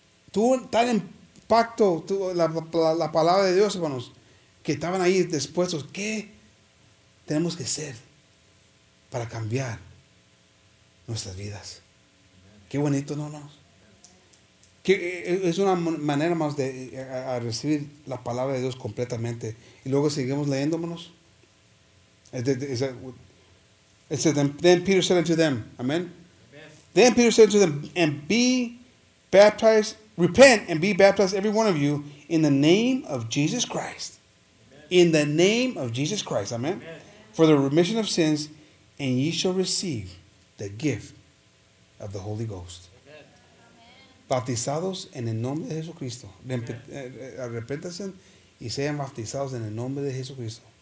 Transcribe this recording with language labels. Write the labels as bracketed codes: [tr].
[es] Tuvo tal impacto la palabra de Dios, hermanos, que estaban ahí dispuestos. ¿Qué tenemos que hacer para cambiar nuestras vidas? Qué bonito, ¿no? Que es una manera más de a recibir la palabra de Dios completamente. Y luego seguimos leyendo, hermanos. [en] It says, then Peter said unto them, amen. Amen. Then Peter said unto them, and be baptized, repent and be baptized, every one of you, in the name of Jesus Christ. Amen. In the name of Jesus Christ, amen. For the remission of sins, and ye shall receive the gift of the Holy Ghost. [es] Bautizados en el nombre de Jesucristo. Arrepéntanse y sean bautizados en el nombre de Jesucristo